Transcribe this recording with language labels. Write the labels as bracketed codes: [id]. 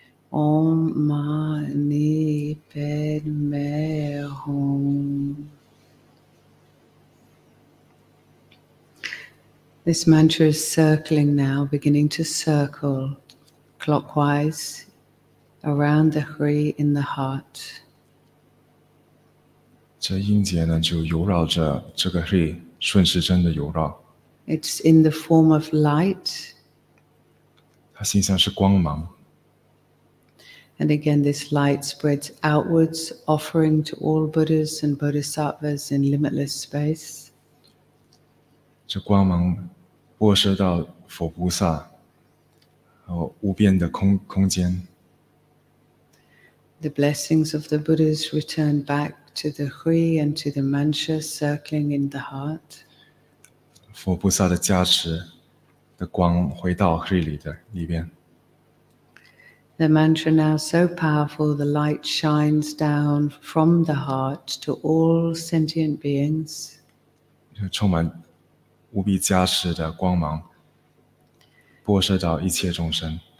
[sa] Om Mani Padme Hum. [en] This mantra is circling now, beginning to circle clockwise around the Hri in the heart. [zh] 这音节呢，就游绕着这个黑，顺时针的游绕。 [en] It's in the form of light. [zh] 它形象是光芒。 [en] And again, this light spreads outwards, offering to all Buddhas and Bodhisattvas in limitless space. [zh] 这光芒播射到佛菩萨，无边的空间。 [en] The blessings of the Buddhas return back. To the Hui and to the Mantra circling in the heart. [zh] 佛菩萨的加持的光回到 Hui 里的里边。 [en] The Mantra now so powerful, the light shines down from the heart to all sentient beings. [zh] 充满无比加持的光芒，播射到一切众生。